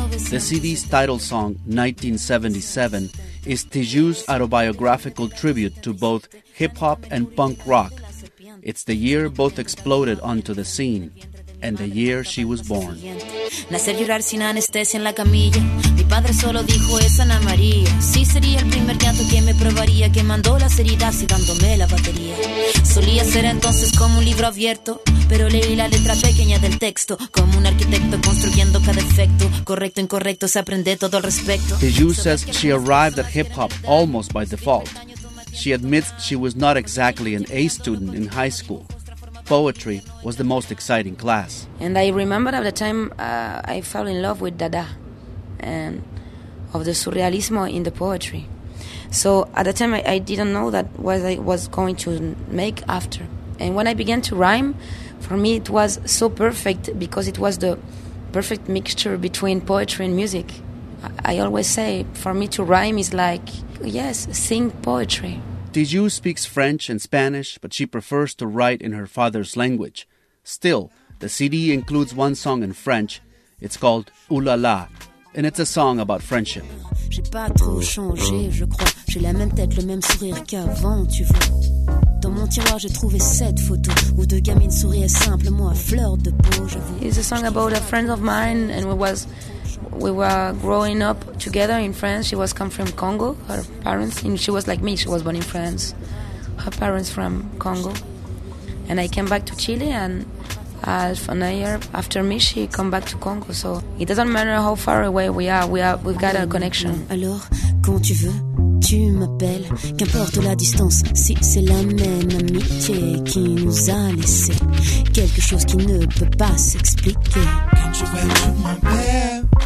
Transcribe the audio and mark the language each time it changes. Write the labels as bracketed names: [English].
[English] The CD's title song, 1977, is Tijoux's autobiographical tribute to both hip-hop and punk rock. It's the year both exploded onto the scene, and the year she was born. [Spanish] Nacer llorar sin anestesia en la camilla. Mi padre solo dijo es Ana María. Sí sería el primer llanto que me probaría, que mandó las heridas y dándome la batería. Solía ser entonces como un libro abierto, pero leí la letra pequeña del texto, como un arquitecto construyendo cada efecto. Correcto, incorrecto, se aprende todo al respecto. [English] Tijoux says she arrived at hip-hop almost by default. She admits she was not exactly an A student in high school. Poetry was the most exciting class. And I remember at the time I fell in love with Dada and of the surrealismo in the poetry. So at the time I didn't know that what I was going to make after. And when I began to rhyme, for me it was so perfect because it was the perfect mixture between poetry and music. I always say for me to rhyme is like, yes, sing poetry. Tijoux speaks French and Spanish, but she prefers to write in her father's language. Still, the CD includes one song in French. It's called Oulala, and it's a song about friendship. [French] J'ai pas trop changé, je crois. J'ai la même tête, le même sourire qu'avant, tu vois. Dans mon tiroir, j'ai trouvé cette photo où deux gamines souriaient simplement à fleur de peau. [English] It's a song about a friend of mine, and we were growing up together in France. She was come from Congo, her parents, and she was like me, she was born in France. Her parents from Congo. And I came back to Chile, and half an year after me, she come back to Congo. So it doesn't matter how far away we've got a connection. [French] Alors, quand tu veux, tu m'appelles. Qu'importe la distance, si c'est la même amitié qui nous a laissé quelque chose qui ne peut pas s'expliquer. Quand tu veux, tu m'appelles.